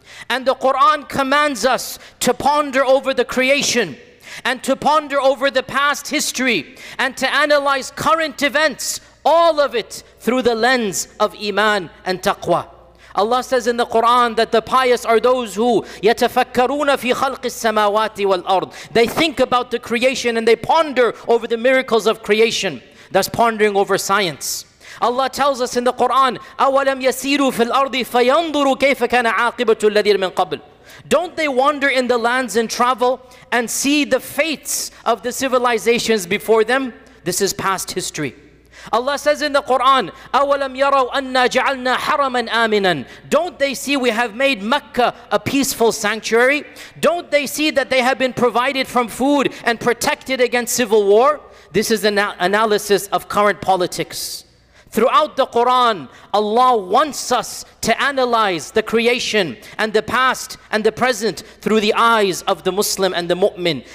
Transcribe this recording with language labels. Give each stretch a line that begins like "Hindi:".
English: And the Quran commands us to ponder over the creation and to ponder over the past history and to analyze current events, all of it through the lens of Iman and Taqwa. Allah says in the Quran that the pious are those who
Arabic: يَتَفَكَّرُونَ فِي خَلْقِ السَّمَاوَاتِ وَالْأَرْضِ.
English: They think about the creation and they ponder over the miracles of creation. That's pondering over science. Allah tells us in the Quran,
Arabic: أَوَلَمْ يَسِيرُوا فِي الْأَرْضِ فَيَنْظُرُوا كَيْفَ كَانَ عَاقِبَةُ الَّذِينَ مِنْ قَبْلِ.
English: Don't they wander in the lands and travel and see the fates of the civilizations before them? This is past history. Allah says in the Quran,
Arabic: أَوَلَمْ يَرَوْا أَنَّا جَعَلْنَا حَرَمًا آمِنًا.
English: Don't they see we have made Mecca a peaceful sanctuary? Don't they see that they have been provided from food and protected against civil war? This is an analysis of current politics. Throughout the Quran, Allah wants us to analyze the creation and the past and the present through the eyes of the Muslim and the mu'min.